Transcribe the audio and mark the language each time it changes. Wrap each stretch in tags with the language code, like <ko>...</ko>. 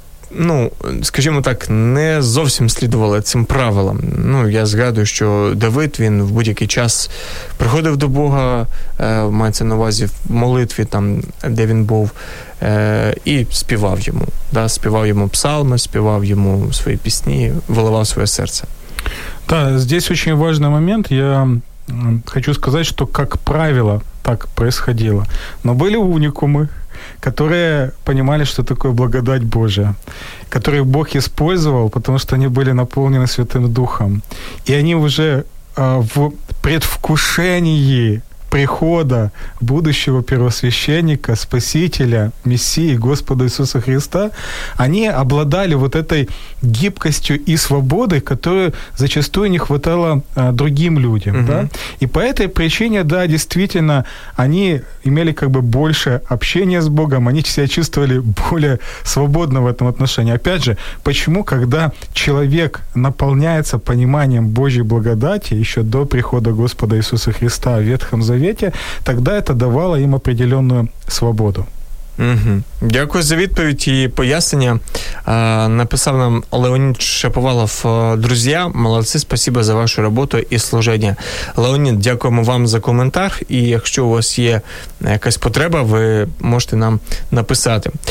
<uk>ну, скажімо так, не зовсім слідували цим правилам. Ну, я згадую, що Давид, він в будь-який час приходив до Бога, мається на увазі в молитві, там, де він був, і співав йому. Да, співав йому псалми, співав йому свої пісні, виливав своє серце.</uk> <ru>Так, здесь очень важный момент. Я хочу сказать, что, как правило, так происходило. Но были уникумы, которые понимали, что такое благодать Божия, которые Бог использовал, потому что они были наполнены Святым Духом. И они уже в предвкушении прихода будущего первосвященника, Спасителя, Мессии, Господа Иисуса Христа, они обладали вот этой гибкостью и свободой, которую зачастую не хватало другим людям. Угу. Да? И по этой причине, да, действительно, они имели как бы больше общения с Богом, они себя чувствовали более свободно в этом отношении. Опять же, почему, когда человек наполняется пониманием Божьей благодати еще до прихода Господа Иисуса Христа в Ветхом Завете, тогда это давало им определенную свободу. Угу.</ru> <uk>Дякую за відповідь і пояснення. Написав нам Леонід Шаповалов. Друзі, молодці, спасибо за вашу роботу і служення. Леонід, дякуємо вам за коментар. І якщо у вас є якась потреба, ви можете нам написати.</uk>